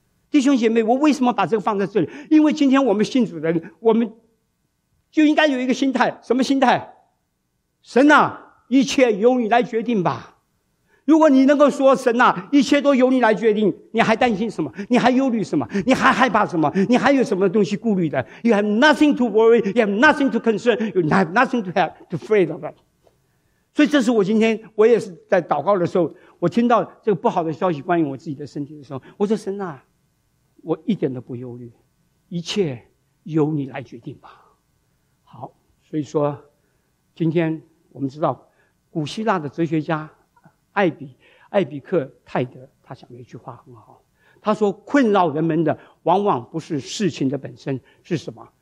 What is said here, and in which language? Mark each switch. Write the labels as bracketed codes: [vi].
[zh] 弟兄姐妹，我为什么把这个放在这里？因为今天我们信主的人，我们就应该有一个心态。什么心态？神啊，一切由你来决定吧。如果你能够说神啊，一切都由你来决定，你还担心什么？你还忧虑什么？你还害怕什么？你还有什么东西顾虑的？ [en] You have nothing to worry, you have nothing to concern, you have nothing to have to afraid of it。 [zh] 所以这是我今天我也是在祷告的时候，我听到这个不好的消息关于我自己的身体的时候，我说神啊，我一点都不忧虑，一切由你来决定吧。好，所以说今天我们知道古希腊的哲学家艾比克泰德他讲了一句话很好，他说困扰人们的往往不是事情的本身，是什么？